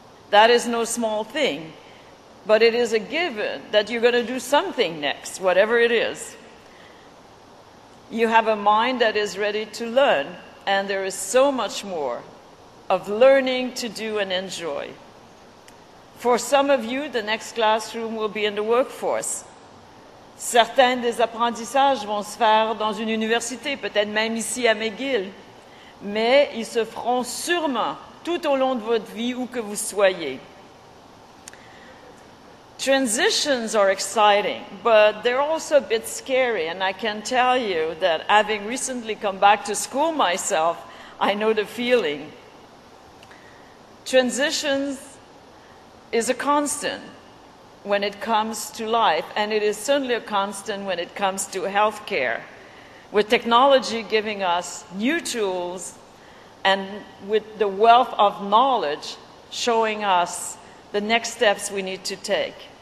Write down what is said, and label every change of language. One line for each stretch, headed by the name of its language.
English: That is no small thing, but it is a given that you're going to do something next, whatever it is. You have a mind that is ready to learn, and there is so much more of learning to do and enjoy. For some of you, the next classroom will be in the workforce.
French: Certains des apprentissages vont se faire dans une université, peut-être même ici à McGill, mais ils se feront sûrement tout au long de votre vie où que vous soyez.
English: Transitions are exciting, but they're also a bit scary, and I can tell you that having recently come back to school myself, I know the feeling. Transitions is a constant when it comes to life, and it is certainly a constant when it comes to healthcare, with technology giving us new tools and with the wealth of knowledge showing us the next steps we need to take.